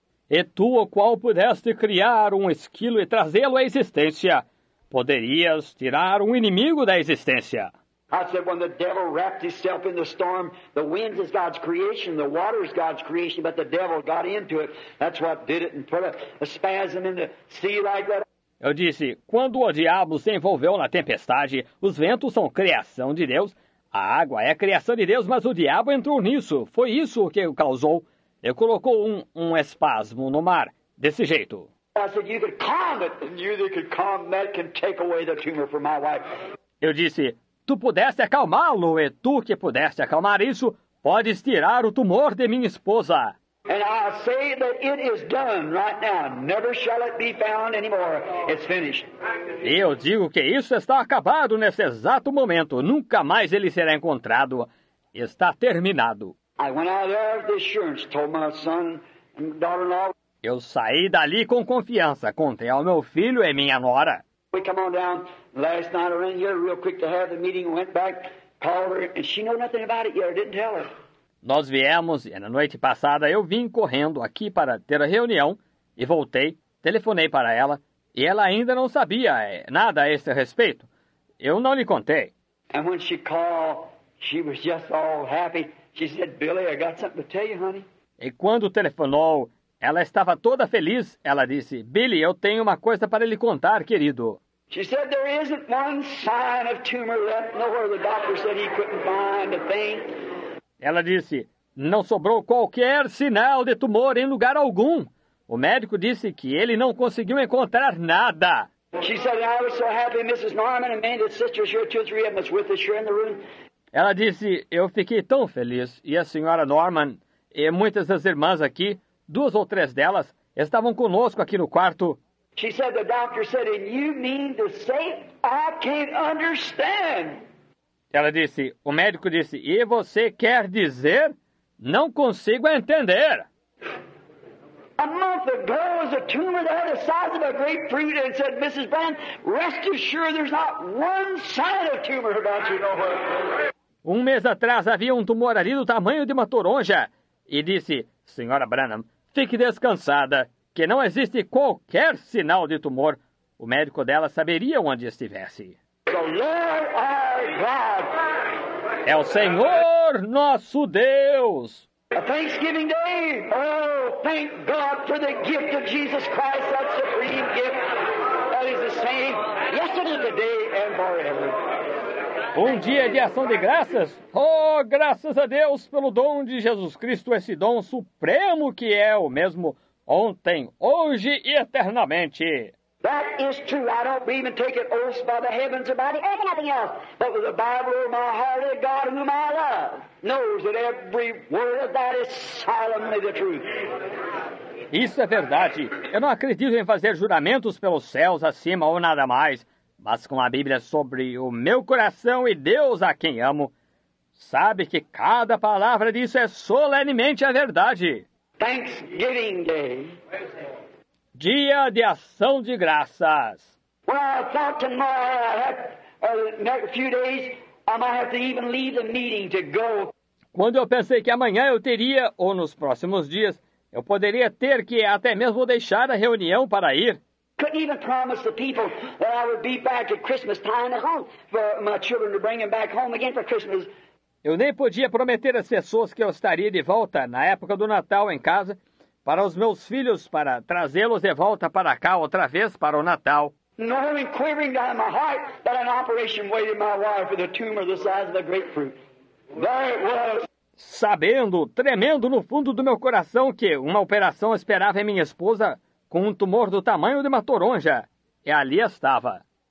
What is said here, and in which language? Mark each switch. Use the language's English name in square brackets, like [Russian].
[Portuguese] E tu, o qual pudeste criar um esquilo e trazê-lo à existência, poderias tirar um inimigo da existência. [English] I said, when the devil wrapped himself in the storm, the wind is God's creation, the water is God's creation, but the devil got into it. That's what did it and put a spasm in the sea like that. [Portuguese] Eu disse, quando o diabo se envolveu na tempestade, os ventos são criação de Deus, a água é criação de Deus, mas o diabo entrou nisso. Foi isso que o causou. Ele colocou um espasmo no mar, desse jeito. [English] I said, you could calm it, and you could calm that can take away the tumor from my wife. [Portuguese] Eu disse, tu pudeste acalmá-lo, e tu que pudeste acalmar isso, podes tirar o tumor de minha esposa. [English] And I say that it is done right now. Never shall it be found anymore. It's finished. [Portuguese] Eu digo que isso está acabado nesse exato momento. Nunca mais ele será encontrado. Está terminado. [English] I went out there with assurance, told my son and daughter-in-law. [Portuguese] Eu saí dali com confiança. Contei ao meu filho e minha nora. [English] We come on down last night. I ran here real quick to have the meeting. Went back, called her, and she knew nothing about it yet. I didn't tell her. [Portuguese] Nós viemos, e na noite passada eu vim correndo aqui para ter a reunião, e voltei, telefonei para ela, e ela ainda não sabia nada a esse respeito. Eu não lhe contei. [English] And when she called, she was just all happy. She said, Billy, I got something to tell you, honey. [Portuguese] E quando telefonou, ela estava toda feliz. Ela disse, Billy, eu tenho uma coisa para lhe contar, querido. [English] She said, there isn't one sign of tumor left nowhere. The doctor said he couldn't find a thing. [Portuguese] Ela disse, não sobrou qualquer sinal de tumor em lugar algum. O médico disse que ele não conseguiu encontrar nada. [English] She said, I was so happy, Mrs. Norman and me, the sisters, you're 2 or 3 of us with us, you're in the room. [Portuguese] Ela disse: "Eu fiquei tão feliz. E a senhora Norman e muitas das irmãs aqui, duas ou três delas, estavam conosco aqui no quarto." [English] She said, the doctor said, "And you mean to say I can't understand?" [Portuguese] Ela disse, o médico disse, e você quer dizer, não consigo entender. [English] A month ago, there was a tumor that had the size of a grapefruit and said, Mrs. Brown, rest assured there's not one sign of tumor about you. [Portuguese] Um mês atrás, havia um tumor ali do tamanho de uma toronja. E disse, senhora Branham, fique descansada, que não existe qualquer sinal de tumor. O médico dela saberia onde estivesse. [English] The Lord our God. [Portuguese] É o Senhor nosso Deus. [English] A Thanksgiving Day. Oh, thank God for the gift of Jesus Christ, that supreme gift. That is the same yesterday, today and forever. [Portuguese] Um dia de ação de graças? Oh, graças a Deus pelo dom de Jesus Cristo, esse dom supremo que é o mesmo ontem, hoje e eternamente. [English] That is true. I don't believe in taking oaths by the heavens or by the earth or nothing else. But with the Bible in my heart, a God whom I love knows that every word of that is solemnly the truth. [Portuguese] Isso é verdade. Eu não acredito em fazer juramentos pelos céus acima ou nada mais. Mas com a Bíblia sobre o meu coração e Deus a quem amo, sabe que cada palavra disso é solenemente a verdade. [English] Thanksgiving Day. [Portuguese] Dia de ação de graças. [English] Well, I thought tomorrow, next few days, I might have to even leave the meeting to go. [Portuguese] Quando eu pensei que amanhã eu teria, ou nos próximos dias, eu poderia ter que até mesmo deixar a reunião para ir. [English] Couldn't even promise the people that I would be back at Christmas time at home for my children to bring them back home again for Christmas. [Portuguese] Eu nem podia prometer às pessoas que eu estaria de volta na época do Natal em casa para os meus filhos, para trazê-los de volta para cá outra vez para o Natal. [English] Knowing, quivering down my heart, that an operation waited my wife with a tumor the size of a grapefruit. There it was. [Portuguese] Sabendo, tremendo no fundo do meu coração que uma operação esperava em minha esposa com um tumor do tamanho de uma toronja. E ali estava.